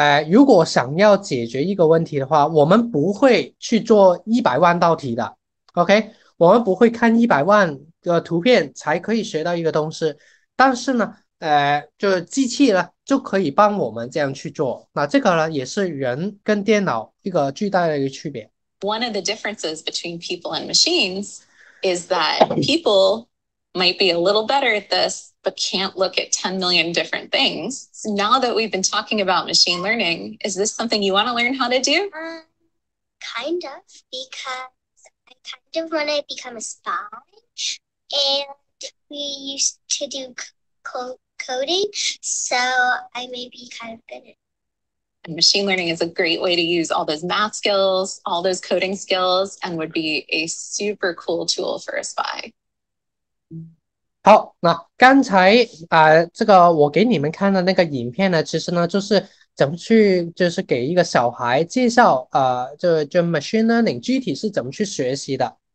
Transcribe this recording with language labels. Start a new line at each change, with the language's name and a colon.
Chinese: 如果想要解决一个问题的话，我们不会去做100万道题的。 OK，我们不会看100万的图片才可以学到一个东西。但是呢，就是机器呢就可以帮我们这样去做。那这个呢，也是人跟电脑一个巨大的一个区别。
English: One of the differences between people and machines is that people might be a little better at this, but can't look at 10 million different things. So now that we've been talking about machine learning, is this something you want to learn how to do? Kind of, because I kind of want to become a spy. And we used to do coding, so I may be kind of good at it. And machine learning is a great way to use all those math skills, all those coding skills, and would be a super cool tool for a spy.
Chinese: 好，那刚才啊、这个我给你们看的那个影片呢，其实呢就是怎么去就是给一个小孩介绍啊、就 machine learning 具体是怎么去学习的。